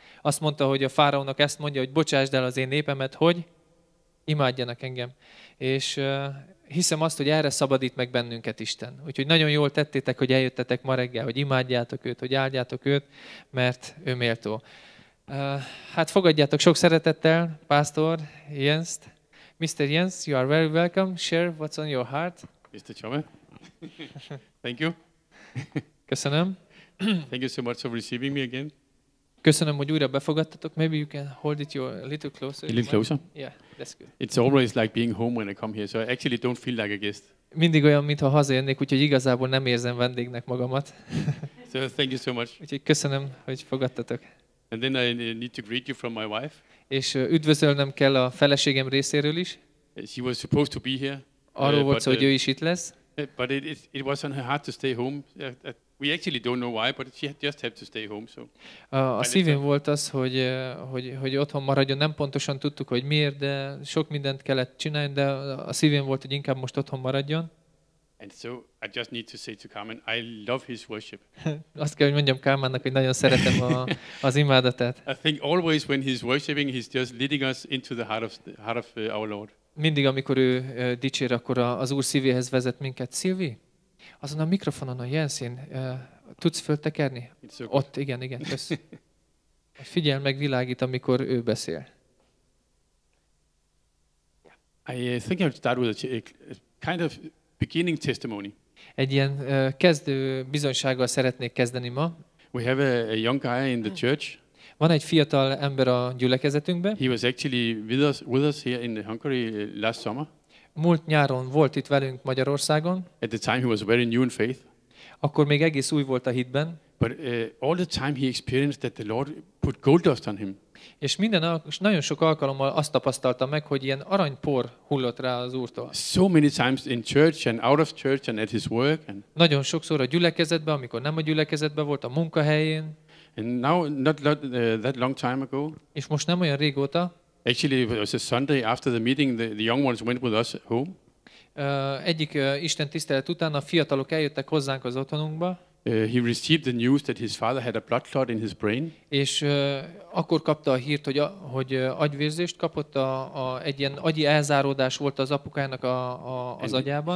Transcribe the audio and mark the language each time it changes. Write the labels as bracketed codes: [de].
[hu] Azt mondta, hogy a fáraónak ezt mondja, hogy bocsásd el az én népemet, hogy imádjanak engem. És... hiszem azt, hogy erre szabadít meg bennünket Isten. Úgyhogy nagyon jól tettétek, hogy eljöttetek ma reggel, hogy imádjátok őt, hogy áldjátok őt, mert ő méltó. Hát fogadjátok sok szeretettel, Pásztor Jenst. [en] Mr. Jens, you are very welcome. Share what's on your heart. Mr. Chame. Thank you. [hu] Köszönöm. [en] Thank you so much for receiving me again. [hu] Köszönöm, hogy újra befogadtatok. [en] Maybe you can hold it a little closer. A little closer? Yeah, that's good. It's always like being home when I come here, so I actually don't feel like a guest. [hu] Mindig olyan, mintha hazajönnék, úgyhogy igazából nem érzem vendégnek magamat. [en] So thank you so much. [hu] Úgyhogy köszönöm, hogy fogadtatok. [en] And then I need to greet you from my wife. [hu] És üdvözölnem kell a feleségem részéről is. [en] She was supposed to be here. [hu] Arról volt szó, hogy ő is itt lesz. [en] But it was on her heart to stay home. We actually don't know why, but she just had to stay home. So. [hu] A szívén volt az, hogy otthon maradjon. Nem pontosan tudtuk, hogy miért, de sok mindent kellett csinálni, de a szívén volt, hogy inkább most otthon maradjon. [en] And so I just need to say to Carmen, I love his worship. [hu] Azt kell, hogy mondjam Carmennek, hogy nagyon szeretem az imádatát. [en] I think always when he's worshiping, he's just leading us into the heart of our Lord. [hu] Mindig, amikor ő dicsér, akkor az Úr szívéhez vezet minket. Sylvie, azon a mikrofonon a jelszín, tudsz föltekerni? [en] So [hu] ott, igen, igen, köszönöm. Figyel meg, világít, amikor ő beszél. [en] I think I'll start with a kind of beginning testimony. [hu] Egy ilyen kezdő bizonysággal szeretnék kezdeni ma. [en] We have a young guy in the church. [hu] Van egy fiatal ember a gyülekezetünkben. [en] He was actually with us here in Hungary last summer. [hu] Múlt nyáron volt itt velünk Magyarországon. [en] At the time he was very new in faith. [hu] Akkor még egész új volt a hitben. [en] But all the time he experienced that the Lord put gold dust on him. [hu] És nagyon sok alkalommal azt tapasztalta meg, hogy ilyen aranypor hullott rá az Úrtól. [en] So many times in church and out of church and at his work and [hu] nagyon sokszor a gyülekezetben, amikor nem a gyülekezetben volt, a munkahelyén. [en] And now not that long time ago. [hu] És most nem olyan régóta. [en] Actually it was a Sunday after the meeting the young ones went with us home. [hu] Egyik Isten tisztelet után a fiatalok eljöttek hozzánk az otthonunkba. [en] He received the news that his father had a blood clot in his brain. [hu] És akkor kapta a hírt, hogy agyvérzést kapott, egy ilyen agyi elzáródás volt az apukának az agyában.